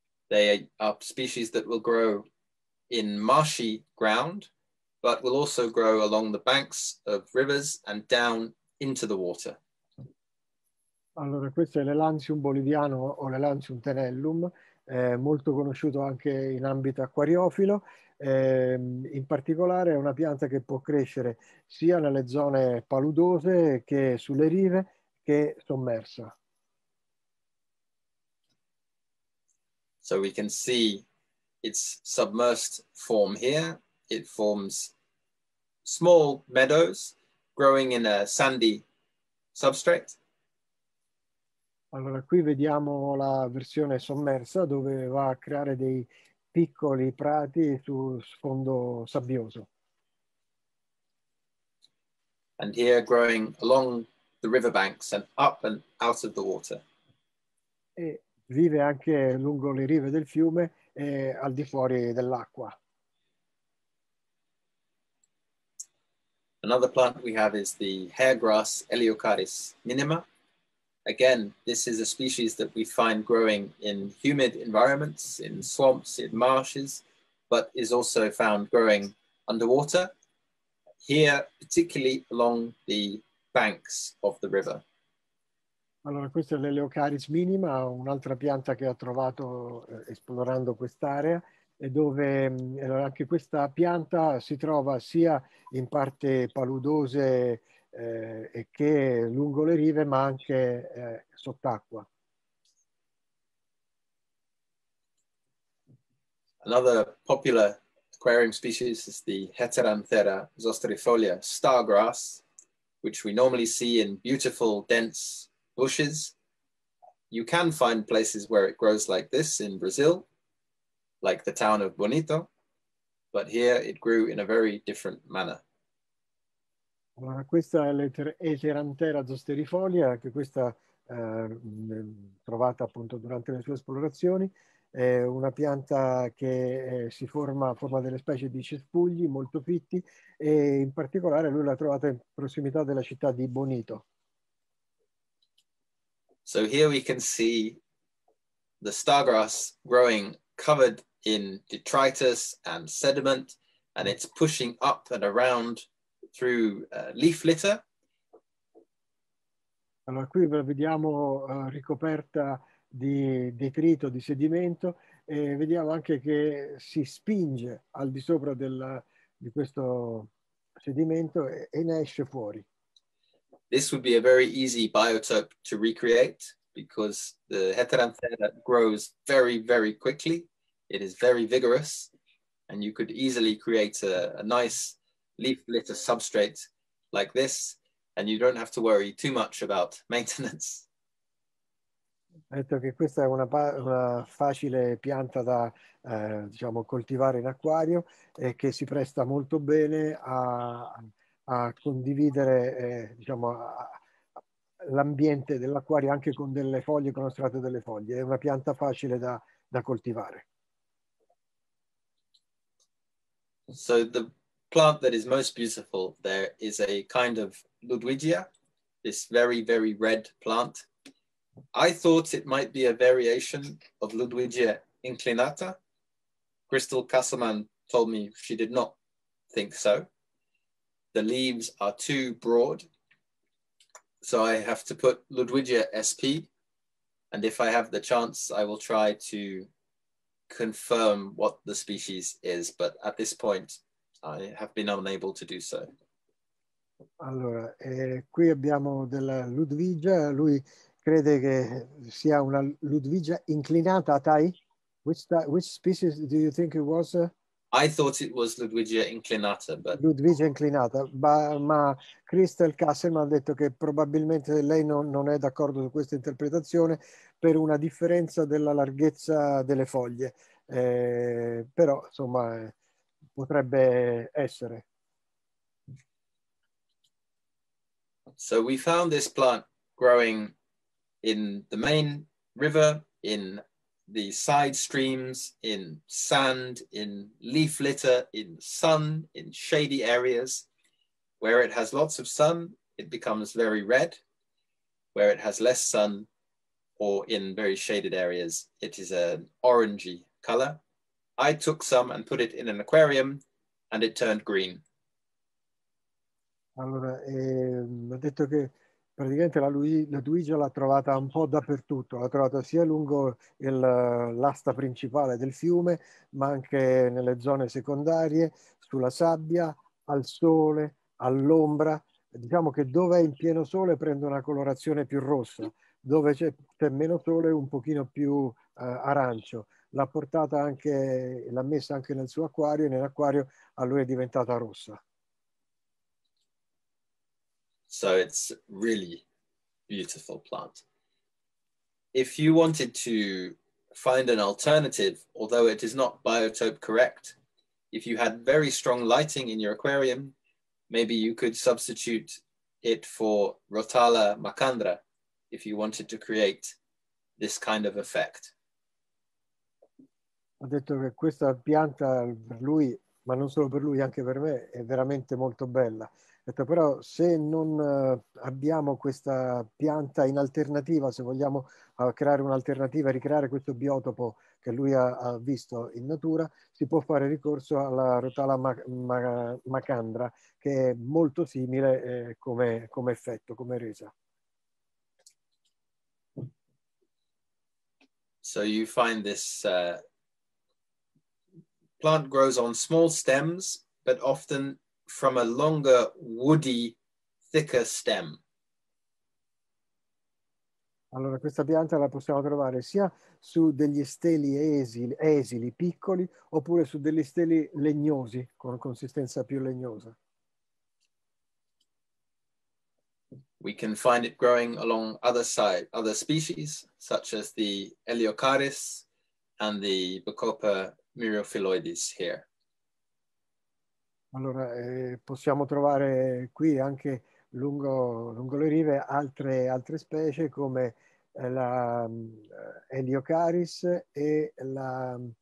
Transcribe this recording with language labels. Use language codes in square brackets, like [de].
[en] They are species that will grow in marshy ground, but will also grow along the banks of rivers and down into the water. [it] Allora, questo è l'Helanthium boliviano o l'Helanthium tenellum, molto conosciuto anche in ambito acquariofilo. In particolare è una pianta che può crescere sia nelle zone paludose che sulle rive che sommersa. [en] So we can see its submersed form here. It forms small meadows growing in a sandy substrate. [it] Allora qui vediamo la versione sommersa dove va a creare dei piccoli prati su sfondo sabbioso. [en] And here growing along the riverbanks and up and out of the water. [it] E vive anche lungo le rive del fiume e al di fuori dell'acqua. [en] Another plant we have is the hair grass Eleocharis minima. Again, this is a species that we find growing in humid environments, in swamps, in marshes, but is also found growing underwater, here particularly along the banks of the river. [it] Allora, questa è l'Eleocharis minima, un'altra pianta che ho trovato esplorando quest'area, e dove anche questa pianta si trova sia in parte paludose e che lungo le rive, ma anche sott'acqua. [en] Another popular aquarium species is the Heteranthera zostrifolia stargrass, which we normally see in beautiful, dense bushes. You can find places where it grows like this in Brazil, like the town of Bonito, but here it grew in a very different manner. [it] Allora, questa è l'Heteranthera zostrifolia, che questa trovata appunto durante le sue esplorazioni. È una pianta che si forma delle specie di cespugli molto fitti, e in particolare lui l'ha trovata in prossimità della città di Bonito. [en] So here we can see the stargrass growing covered in detritus and sediment, and it's pushing up and around through leaf litter. [it] Allora qui la vediamo ricoperta di detrito, di sedimento, e vediamo anche che si spinge al di sopra di questo sedimento e ne esce fuori. [en] This would be a very easy biotope to recreate because the Heteranthera grows very, very quickly. It is very vigorous, and you could easily create a nice leaf litter substrate like this, and you don't have to worry too much about maintenance. [it] Detto che questa è una facile pianta da diciamo coltivare in acquario e che si presta molto bene a condividere diciamo l'ambiente dell'acquario anche con delle foglie, con lo strato delle foglie. È una pianta facile da coltivare. [en] So the plant that is most beautiful there is a kind of Ludwigia, this very, very red plant. I thought it might be a variation of Ludwigia inclinata. Crystal Castleman told me she did not think so. The leaves are too broad, so I have to put Ludwigia SP, and if I have the chance, I will try to confirm what the species is, but at this point I have been unable to do so. [it] Allora, qui abbiamo della Ludwigia. Lui crede che sia una Ludwigia inclinata, Tai? [en] Which species do you think it was? I thought it was Ludwigia inclinata, but [it] Ludwigia inclinata, ma Crystal Castleman ha detto che probabilmente lei non è d'accordo su questa interpretazione per una differenza della larghezza delle foglie. Però, insomma, potrebbe essere. [en] So we found this plant growing in the main river, in the side streams, in sand, in leaf litter, in sun, in shady areas. Where it has lots of sun, it becomes very red. Where it has less sun, or in very shaded areas, it is an orangey color. I took some and put it in an aquarium, and it turned green. [it] Allora, ha detto che praticamente la Luigia l'ha trovata un po' dappertutto, l'ha trovata sia lungo l'asta principale del fiume, ma anche nelle zone secondarie, sulla sabbia, al sole, all'ombra. Diciamo che dove è in pieno sole prende una colorazione più rossa, dove c'è meno sole un pochino più arancio. L'ha portata anche, l'ha messa anche nel suo acquario, e nell'acquario a lui è diventata rossa. [en] So it's really beautiful plant. If you wanted to find an alternative, although it is not biotope correct, if you had very strong lighting in your aquarium, maybe you could substitute it for Rotala macandra if you wanted to create this kind of effect. [it] Ha detto che questa pianta per lui, ma non solo per lui, anche per me, è veramente molto bella. Però se non abbiamo questa pianta in alternativa, se vogliamo creare un'alternativa, ricreare questo biotopo che lui ha visto in natura, si può fare ricorso alla Rotala macandra, che è molto simile come effetto, come resa. [en] So you find this plant grows on small stems, but often from a longer, woody, thicker stem. [it] Allora, questa pianta la possiamo trovare sia su degli steli esili piccoli oppure su degli steli legnosi con consistenza più legnosa. [en] We can find it growing along other species, such as the Eleocharis and the Bacopa myrophylloides here. [it] Allora, possiamo trovare qui anche lungo le rive altre specie come la Eliocaris e la